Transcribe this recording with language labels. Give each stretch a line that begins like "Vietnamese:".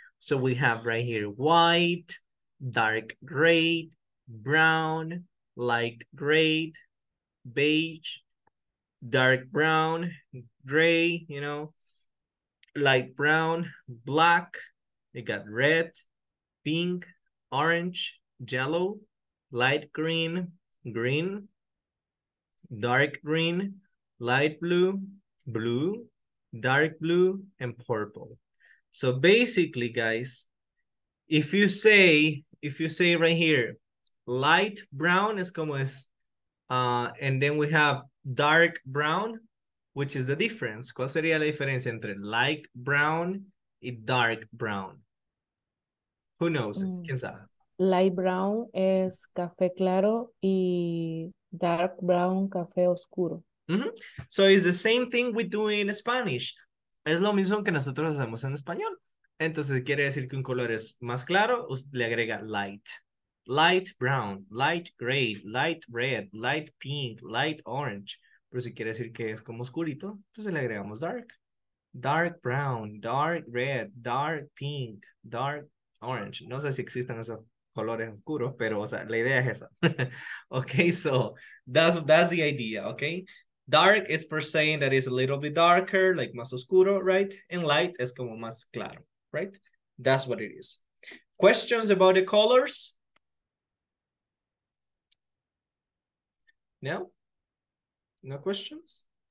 English: So we have right here white, dark gray, brown, light gray, beige, dark brown, gray, you know, light brown, black, you got red, pink, orange, yellow, light green, green, dark green, light blue, blue, dark blue, and purple. So basically, guys, if you say right here, light brown
Spanish: es como es,
English: and then we have dark brown, which is the difference.
Spanish: ¿Cuál sería la diferencia entre light brown y dark brown?
English: Who knows?
Spanish: ¿Quién sabe? Light brown es café claro y dark brown café oscuro. Mm-hmm.
English: So it's the same thing we do in Spanish.
Spanish: Es lo mismo que nosotros hacemos en español. Entonces quiere decir que un color es más claro, le agrega light.
English: Light brown, light gray, light red, light pink, light orange.
Spanish: Pero si quiere decir que es como oscurito, entonces le agregamos dark.
English: Dark brown, dark red, dark pink, dark orange.
Spanish: No sé si existen esos colores oscuros, pero o sea, la idea es esa.
English: Okay, so that's the idea, okay? Dark is for saying that it's a little bit darker, like
Spanish: más oscuro,
English: right? And light
Spanish: es como más claro,
English: right? That's what it is. Questions about the colors? No? No questions?